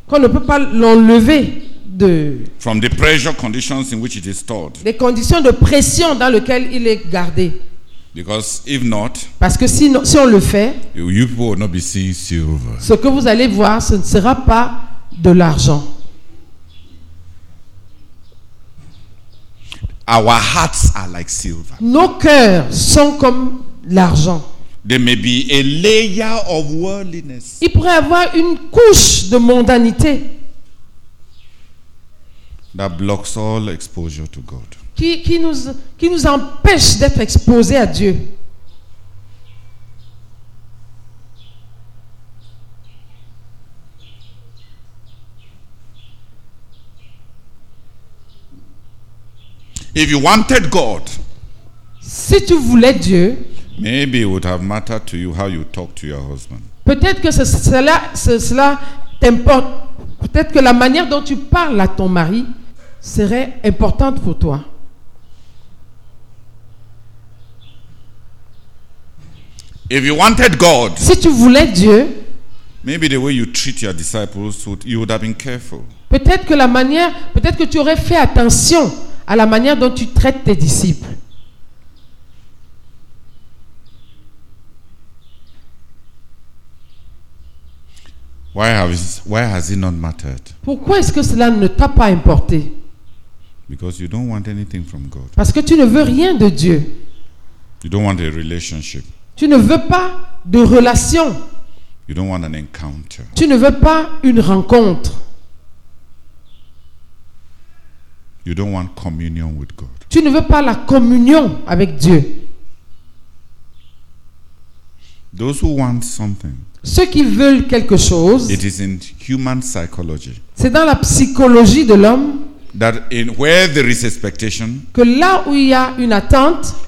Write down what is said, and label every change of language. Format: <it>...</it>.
<fr>Qu'on ne peut pas l'enlever de.</fr> <en>From the pressure conditions in which it is stored.</en> <fr>Des conditions de pression dans lesquelles il est gardé.</fr> <en>Because if not,</en> <fr>parce que si on le fait,</fr> <en>you will not be seeing silver.</en> <fr>Ce que vous allez voir, ce ne sera pas de l'argent.</fr> <en>Our hearts are like silver.</en> <fr>Nos cœurs sont comme l'argent.</fr> <en>There may be a layer of worldliness.</en> <fr>Il pourrait y avoir une couche de mondanité</fr> <en>that blocks all exposure to God.</en> <fr>Qui nous empêche d'être exposés à Dieu.</fr> <en>If you wanted God,</en> <fr>si tu voulais Dieu,</fr> <en>Maybe it would have mattered to you how you talk to your husband.</en> <fr>Peut-être que cela t'importe. Peut-être que la manière dont tu parles à ton mari serait importante pour toi.</fr> <en>If you wanted God,</en> <fr>si tu voulais Dieu,</fr> <en>maybe the way you treat your disciples, you would have been careful.</en> <fr>Peut-être que tu aurais fait attention à la manière dont tu traites tes disciples.</fr> <en>Why has it not mattered?</en> <fr>Pourquoi est-ce que cela ne t'a pas importé?</fr> <en>Because you don't want anything from God.</en> <fr>Parce que tu ne veux rien de Dieu.</fr> <en>You don't want a relationship.</en> <fr>Tu ne veux pas de relation.</fr> <en>You don't want an encounter.</en> <fr>Tu ne veux pas une rencontre.</fr> <en>You don't want communion with God.</en> <fr>Tu ne veux pas la communion avec Dieu.</fr> <en>Those who want something,</en> <fr>ceux qui veulent quelque chose,</fr> <en>it is in human psychology,</en> <fr>c'est dans la psychologie de l'homme,</fr> <en>that in where there is expectation,</en> <fr>que là où il y a une attente,</fr>